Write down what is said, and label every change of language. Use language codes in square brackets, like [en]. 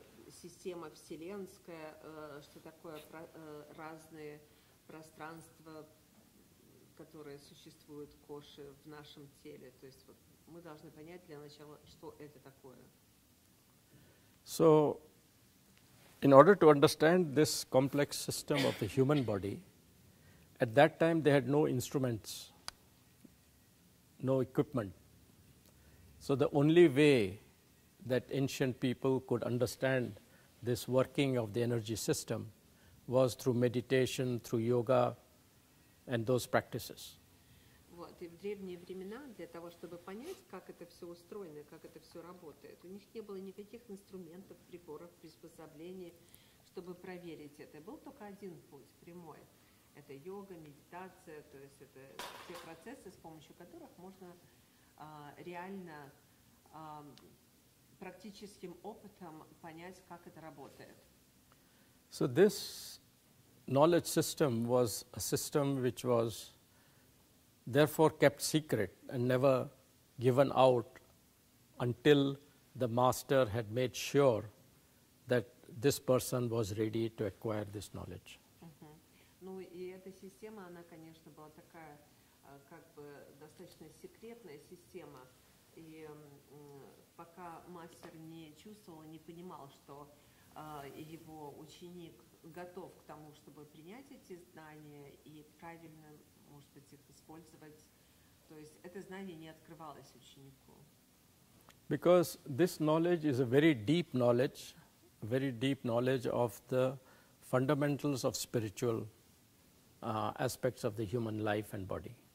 [ru] система вселенская, что такое разные пространства, которые существуют коши в нашем теле. То есть вот, мы должны понять для начала, что это такое. [en] So, in order to understand this complex system of the human body, at that time they had no instruments, no equipment. So the only way that ancient people could understand this working of the energy system was through meditation, through yoga, and those practices. [ru] Вот, и в древние времена, для того, чтобы понять, как это все устроено, как это все работает, у них не было никаких инструментов, приборов, приспособлений, чтобы проверить это. Был только один путь, прямой. Это йога, медитация, то есть это те процессы, с помощью которых можно реально практическим опытом понять, как это работает. [en] So this knowledge system was a system which was therefore kept secret and never given out until the master had made sure that this person was ready to acquire this knowledge. [ru] Ну и эта система, она, конечно, была такая, как бы, достаточно секретная система. И пока мастер не чувствовал, не понимал, что его ученик готов к тому, чтобы принять эти знания и правильно, может быть, их использовать, то есть это знание не открывалось ученику. [en] Because this knowledge is a very deep knowledge of the fundamentals of spiritual aspects of the human life and body.